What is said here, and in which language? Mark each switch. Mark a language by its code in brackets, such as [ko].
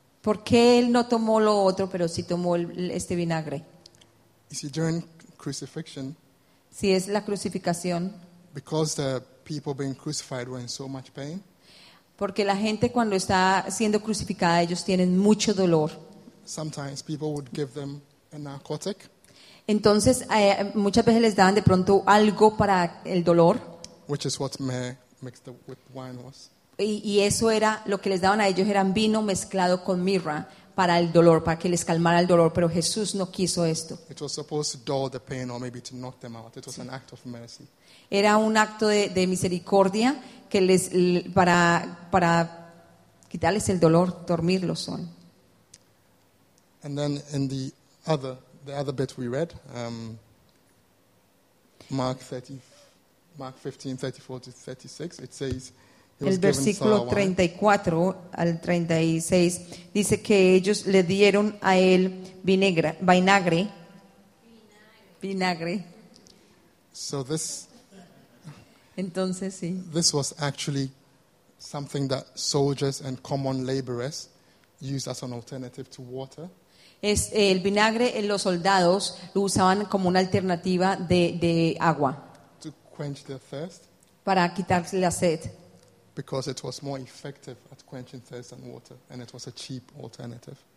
[es] ¿Por qué él no tomó lo otro, pero sí tomó este vinagre? [en] You see, during crucifixion. [es] Si es la crucificación. [en] Because the people being crucified were in so much pain. [es] Porque la gente cuando está siendo crucificada, ellos tienen mucho dolor. [en] Sometimes people would give them a narcotic. [es] Entonces, muchas veces les daban de pronto algo para el dolor. [en] Which is what myrrh mixed with wine was. [es] Y eso era lo que les daban a ellos, eran vino mezclado con mirra para el dolor, para que les calmara el dolor, pero Jesús no quiso esto. [en] It was supposed to dull the pain or maybe to knock them out. It was an act of mercy. [es] Era un acto de misericordia que les para quitarles el dolor, dormirlos son. [en] And then in the other bit we read, Mark 15:34 to 36, it says, [es] El versículo 34 al 36 dice que ellos le dieron a él vinagre. [en] So this, [es] entonces sí. [en] This was actually something that soldiers and common laborers used as an alternative to water. [es] Es el vinagre, los soldados lo usaban como una alternativa de agua. [en] To quench their thirst. [es] Para quitarse la sed. [en] Because it was more effective at quenching thirst than water, and it was a cheap alternative.